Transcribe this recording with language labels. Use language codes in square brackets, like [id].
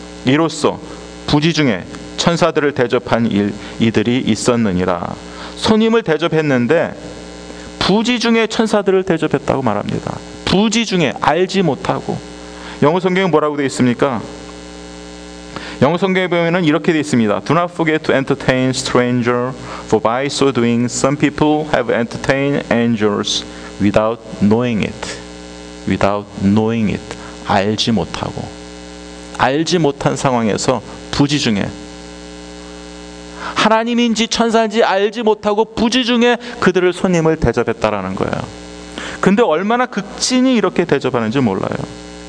[ko] 이로써 부지 중에 천사들을 대접한 이들이 있었느니라. 손님을 대접했는데 부지 중에 천사들을 대접했다고 말합니다. 부지 중에 알지 못하고 영어 성경은 뭐라고 되어 있습니까? 영어 성경에 보면은 이렇게 되어 있습니다. [en] Do not forget to entertain stranger, for by so doing, some people have entertained angels without knowing it. Without knowing it. [ko] 알지 못하고. 알지 못한 상황에서 부지중에. 하나님인지 천사인지 알지 못하고 부지중에 그들을 손님을 대접했다라는 거예요. 근데 얼마나 극진히 이렇게 대접하는지 몰라요.